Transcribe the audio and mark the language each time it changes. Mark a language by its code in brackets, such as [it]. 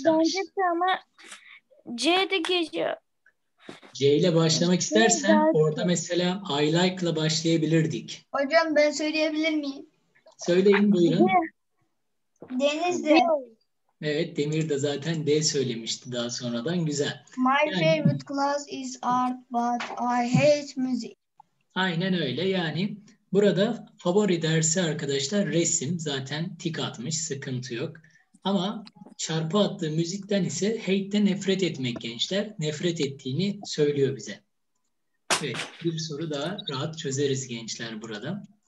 [tr] Evet, bence de ama C de geliyor. C ile başlamak istersen orada mesela [en] I like [tr] ile başlayabilirdik. Hocam ben söyleyebilir miyim? Söyleyin, buyurun. Denizli. Evet, Demir de zaten D söylemişti daha sonradan. Güzel. [en] My [tr] yani, [en] favorite class is art but I hate music. [tr] Aynen öyle. Yani burada favori dersi arkadaşlar resim, zaten tik atmış, sıkıntı yok. Ama çarpı attığı müzikten ise hate'de nefret etmek gençler. Nefret ettiğini söylüyor bize. Evet, bir soru daha rahat çözeriz gençler burada.